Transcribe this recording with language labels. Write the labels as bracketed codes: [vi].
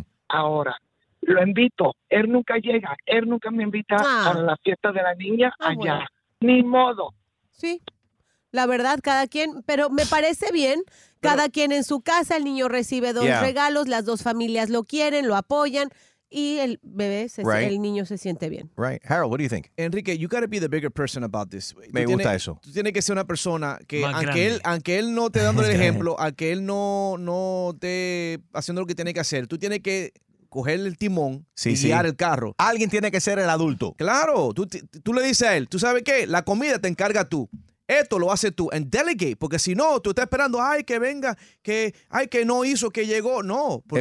[es] Ahora, lo invito. Él nunca llega. Él nunca me invita a la fiesta de la niña allá. Bueno. Ni modo. Sí. La verdad, cada quien, pero me parece bien, cada quien en su casa, el niño recibe 2 regalos, las 2 familias lo quieren, lo apoyan, y el bebé, el niño se siente bien. [en] Right. Harold, what do you think? Enrique, you got to be the bigger person about this. [es] Me gusta eso. Tú tienes que ser una persona que, aunque él no esté dando el ejemplo, aunque él no esté haciendo lo que tiene que hacer, tú tienes que coger el timón y guiar el carro. Alguien tiene que ser el adulto. Claro, tú le dices a él, ¿tú sabes qué? La comida te encarga tú. Esto lo haces tú, [en] and delegate, [es] porque si no, tú estás esperando, ay, que venga, que, ay, que no hizo, que llegó. No, porque